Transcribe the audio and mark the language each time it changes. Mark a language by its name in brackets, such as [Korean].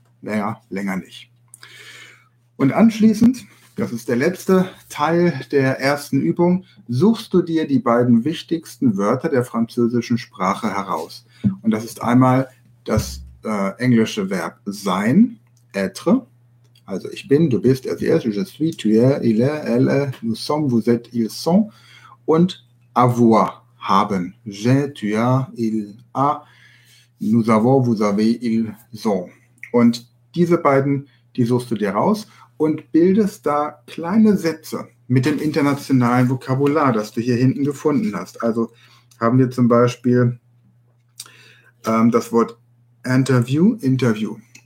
[German] Naja, länger nicht. Und anschließend, das ist der letzte Teil der ersten Übung, suchst du dir die beiden wichtigsten Wörter der französischen Sprache heraus. Und das ist einmal das englische Verb sein, être. Also ich bin, du bist, er, sie, [French] je suis, tu es, il est, elle est, nous sommes, vous êtes, ils sont. [German] Und [French] avoir, [German] haben. [French] J'ai, tu as, il a, nous avons, vous avez, ils sont. [German] Und diese beiden, die suchst du dir raus und bildest da kleine Sätze mit dem internationalen Vokabular, das du hier hinten gefunden hast. Also haben wir zum Beispiel das Wort Interview, Interview.